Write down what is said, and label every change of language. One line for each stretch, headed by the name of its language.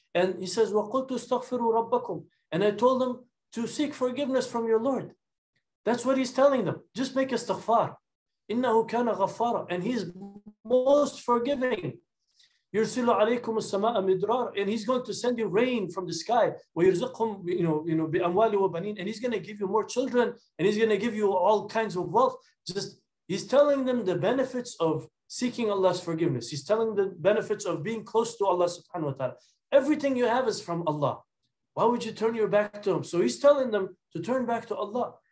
English: And he says,
Arabic: وَقُلْتُ اسْتَغْفِرُوا رَبَّكُمْ.
English: And I told them to seek forgiveness from your Lord. That's what he's telling them. Just make istighfar.
Arabic: إِنَّهُ كَانَ غَفَّارًا.
English: And he's most forgiving.
Arabic: يُرْسِلُ عَلَيْكُمُ السَّمَاءَ مِدْرَارًا.
English: And he's going to send you rain from the sky.
Arabic: وَيُرْزِقْهُمْ,
English: you know,
Arabic: بِأَمْوَالِ وَبَنِينَ.
English: And he's going to give you more children. And he's going to give you all kinds of wealth. Just, he's telling them the benefits of seeking Allah's forgiveness. He's telling the benefits of being close to Allah subhanahu wa ta'ala. Everything you have is from Allah. Why would you turn your back to him? So he's telling them to turn back to Allah.